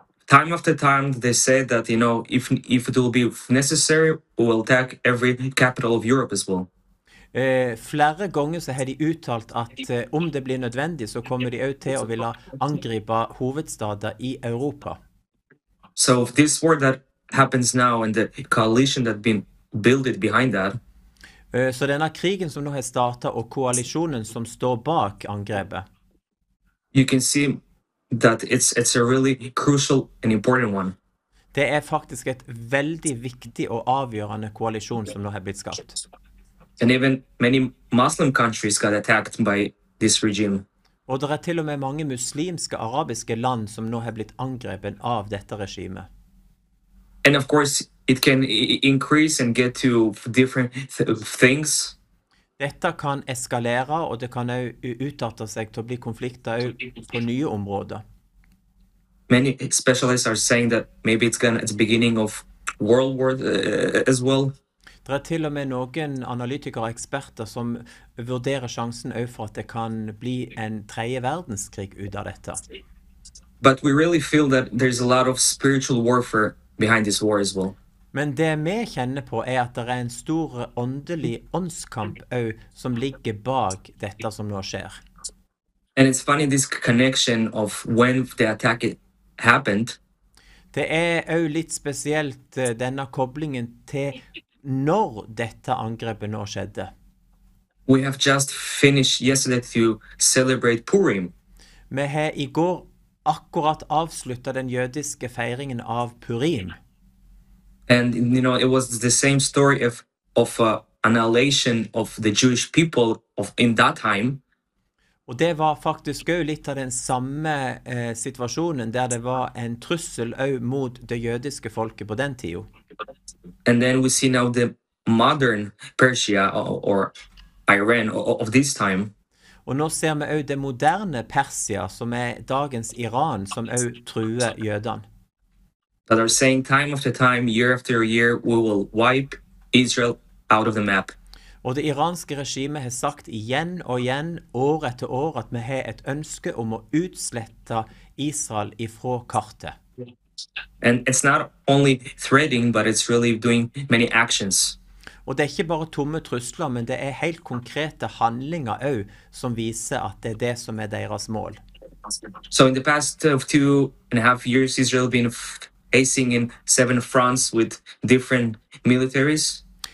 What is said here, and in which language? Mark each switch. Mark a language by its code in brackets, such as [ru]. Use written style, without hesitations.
[en] Time after time, they say that, you know, if it will be necessary, we will attack every capital of Europe as well. [no] Flere ganger så har de uttalt at om det blir nødvendig, så kommer de også til å ville angripe hovedstader i Europa. [en] So if this war that happens now and the coalition that's been built behind that. [no] Så denne krigen som nå har startet og koalisjonen som står bak angrepet. [en] You can see that it's a really crucial and important one. [no] Det er faktisk et veldig viktig og avgjørende koalisjon som nå har blitt skapt. [en] And even many Muslim countries got attacked by this regime. [no] Og det er til og med mange muslimske arabiske land som nå har blitt angrepet av dette regimet. [en] And of course it can increase and get to different things. [no] Dette kan eskalere, og det kan utarte seg til å bli konflikter på nye områder. [en] Many specialists are saying that maybe it's beginning of World War as well. [no] Det er til og med noen analytikere og eksperter som vurderer sjansen for at det kan bli en tredje verdenskrig ut av dette. [en] But we really feel that there's a lot of spiritual warfare behind this war as well. [no] Men det vi kjenner på er at det er en stor åndelig åndskamp som ligger bak dette som nå skjer. [en] And it's funny this connection of when the attack happened. [no] Det er også litt spesielt denne koblingen til når dette angrepet nå skjedde. [en] We have just finished yesterday to celebrate Purim. [no] Vi har i går akkurat avsluttet den jødiske feiringen av Purim. [en] And you know it was the same story of annihilation of the Jewish people of in that time. [no] Og det var faktisk jo litt av den samme situasjonen der det var en trussel mot det jødiske folket på den tiden. [en] And then we see now the modern Persia or Iran of this time. [no] Og nå ser vi jo det moderne Persia som dagens Iran som jo truer jødene. [en] That are saying time after time, year after year, we will wipe Israel out of the map. [no] Og det iranske regimet har sagt igjen og igjen, år etter år, at vi har et ønske om å utslette Israel ifra kartet. [en] And it's not only threatening, but it's really doing many actions. [no] Og det er ikke bare tomme trusler, men det er helt konkrete handlinger også, som viser at det er det som er deres mål. [en] So in the past of 2.5 years, Israel been facing in 7 fronts with different militaries.